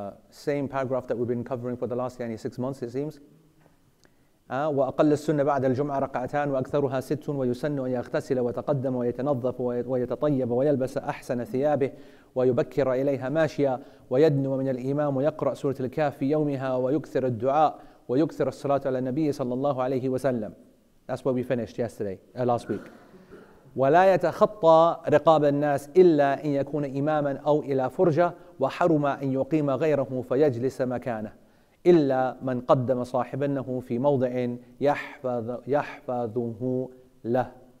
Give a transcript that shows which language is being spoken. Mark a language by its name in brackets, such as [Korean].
[English] Same paragraph that we've been covering for the last 6 months, it seems. [Arabic] وأقل السنة بعد الجمعة ركعتان وأكثرها ست ويسن أن يغتسل ويتقدم ويتنظف ويتطيب ويلبس أحسن ثيابه ويبكر إليها ماشيا ويدنو من الإمام ويقرأ سورة الكهف في يومها ويكثر الدعاء ويكثر الصلاة على النبي صلى الله عليه وسلم. [English] That's what we finished yesterday, last week. [Arabic] ولا يتخطى رقاب الناس إلا أن يكون إماما أو إلى فرجة وحرم أن يقيم غيره فيجلس مكانه إلا من قدم صاحبنه في موضع يحفظه له.